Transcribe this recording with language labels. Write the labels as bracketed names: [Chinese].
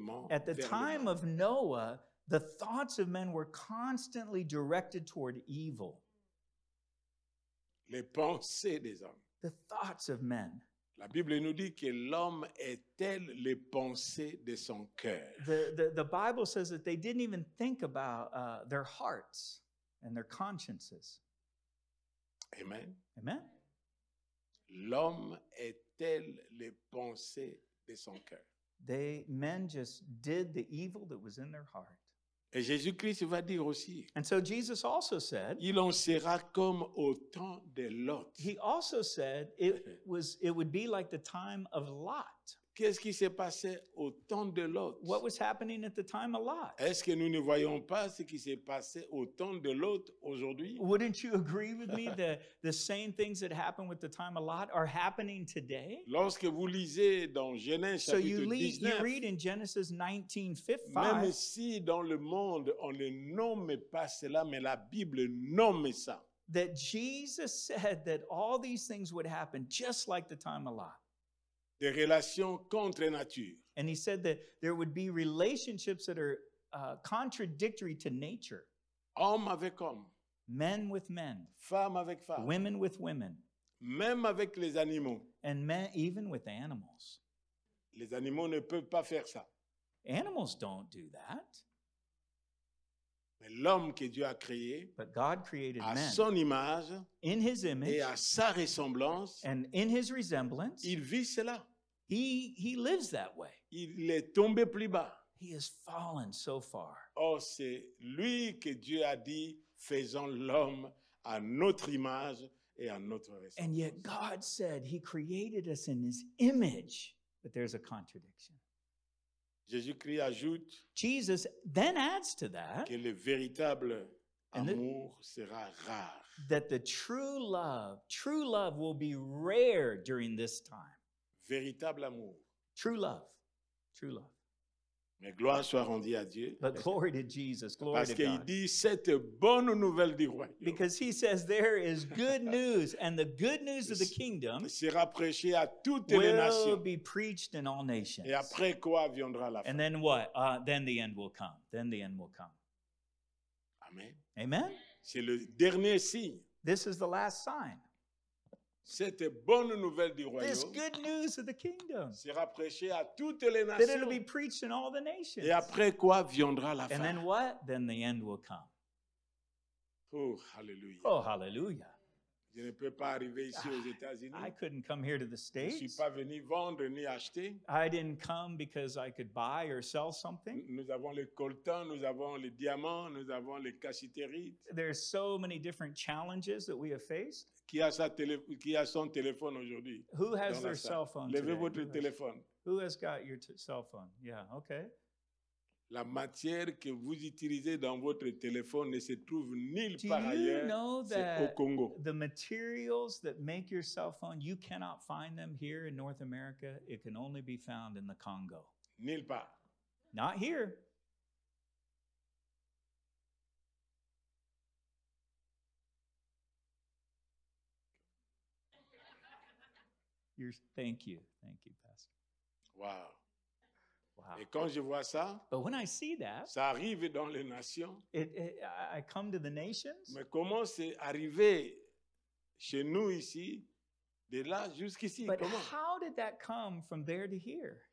[English] At the time of Noah, the thoughts of men were constantly directed toward evil. [French] Les pensées des hommes. [English] The thoughts of men. [French] La Bible nous dit que l'homme est tel les pensées de son cœur. [English] The Bible says that they didn't even think about their hearts and their consciences. Amen. Amen. [French] L'homme est tel les pensées de son cœur. [English] Men just did the evil that was in their heart. [French] Et Jésus-Christ va dire aussi. [English] And so Jesus also said, [French] il en sera comme au temps de Lot. [English] He also said it would be like the time of Lot. [French] Qu'est-ce qui s'est passé au temps de Lot? [English] What was happening at the time of Lot? [French] Est-ce que nous ne voyons pas ce qui s'est passé au temps de Lot aujourd'hui? [English] Wouldn't you agree with me that the same things that happened with the time of Lot are happening today? [French] Lorsque vous lisez dans Genèse chapitre 19. [English] So you read in Genesis 19:5. [French] Même si dans le monde on ne nomme pas cela, mais la Bible nomme ça. [English] That Jesus said that all these things would happen just like the time of Lot. [French] Des relations contre nature. [English] And he said that there would be relationships that are contradictory to nature. [French] Homme avec homme. [English] Men with men. [French] Femme avec femme. [English] Women with women. [French] Même avec les animaux. [English] And men, even with animals. [French] Les animaux ne peuvent pas faire ça. [English] Animals don't do that. [French] Mais l'homme que Dieu a créé, [English] but God created [French] à [English] men, [French] son image, [English] in his image, [French] et à sa ressemblance, [English] and in his resemblance, [French] il vit cela. [English] He lives that way. [French] Il est tombé plus bas. [English] He has fallen so far. [French] Or, c'est lui que Dieu a dit, faisons l'homme à notre image et à notre ressemblance. [English] And yet God said he created us in his image, but there's a contradiction. [French] Jésus-Christ ajoute, [English] Jesus then adds to that, [French] que le véritable amour sera rare. [English] That the true love will be rare during this time. [French] Véritable amour. [English] True love. [French] Mais gloire soit rendue à Dieu. [English] But glory to Jesus. Glory [French] parce [English] to [French] qu'il [English] God. [French] Dit cette bonne nouvelle du royaume. [English] Because he says there is good news and the good news of the kingdom [French] sera prêchée à toutes les nations. [English] Will be preached in all nations. [French] Et après quoi viendra la fin? [English] And then what? Then the end will come. Then the end will come. Amen. Amen. [French] C'est le dernier signe. [English] This is the last sign. [French] Cette bonne nouvelle du royaume, [English] this good news of the kingdom, [French] sera prêchée à toutes les nations, [English] that it'll be preached in all the nations. [French] Et après quoi viendra la fin? [English] And then what? Then the end will come. Oh, hallelujah. Oh, hallelujah. [French] Je ne peux pas arriver ici aux États-Unis. [English] I couldn't come here to the States. [French] Je suis pas venu vendre ni acheter. [English] I didn't come because I could buy or sell something. [French] Nous avons le coltan, nous avons le diamant, nous avons le cassiterite. [English] There are so many different challenges that we have faced. [French] Qui a son téléphone aujourd'hui? [English] Who has their cell phone today? [French] Levez votre téléphone. [English] Who has got your cell phone? Yeah, okay. [French] La matière que vous utilisez dans votre téléphone ne se trouve nulle part ailleurs. [English] Do you know [French] c'est [English] that [French] au Congo. [English] The materials that make your cell phone, you cannot find them here in North America. It can only be found in the Congo. Nulle part. Not here. Thank you, Pastor. [French] Wow. Et quand je vois ça, [English] but when I see that, [French] ça arrive dans les nations. [English] I come to the nations. [French] Mais comment c'est arrivé chez nous ici, de là jusqu'ici? [English] But [French] comment? [English] How did that come from there to here?